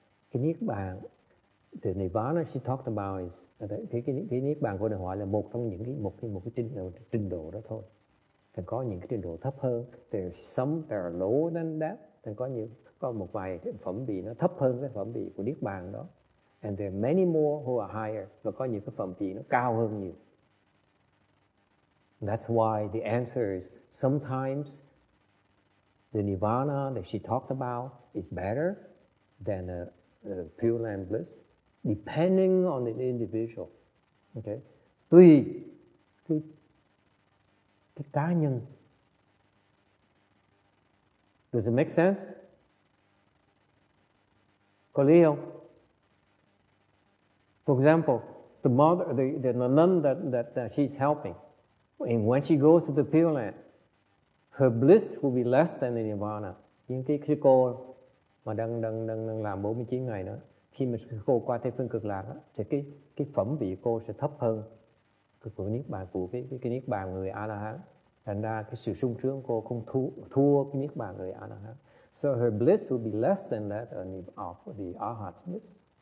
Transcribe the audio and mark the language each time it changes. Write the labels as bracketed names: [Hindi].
[Vietnamese] Cái Niết Bàn, [English] the Nirvana she talked about is [Vietnamese] cái Niết Bàn cô này hỏi là một trong những cái một cái trình độ đó thôi. Thành có những cái trình độ thấp hơn. [English] There's some that are lower than that. [Vietnamese] Thành có những có một vài phẩm vị nó thấp hơn cái phẩm vị của Niết Bàn đó. [English] And there are many more who are higher. [Vietnamese] Và có những cái phẩm vị nó cao hơn nhiều. [English] That's why the answer is sometimes the Nirvana that she talked about is better than a Pure Land bliss, depending on the individual. Okay, [Vietnamese] tùy cái cái cá nhân. [English] Does it make sense? [Vietnamese] Có lý không? [English] For example, the mother, the nun that she's helping, and when she goes to the Pure Land, her bliss will be less than the Nirvana. [Vietnamese] Nhưng cái cô mà đang làm 49 ngày đó, khi mà cô qua thế phương cực lạc đó, thì cái phẩm vị cô sẽ thấp hơn của niết bàn, của cái niết bàn người A-la-hán. Thành ra cái sự sung sướng cô không thua cái niết bàn người A-la-hán. [English] So her bliss will be less than that of the Arhat's bliss.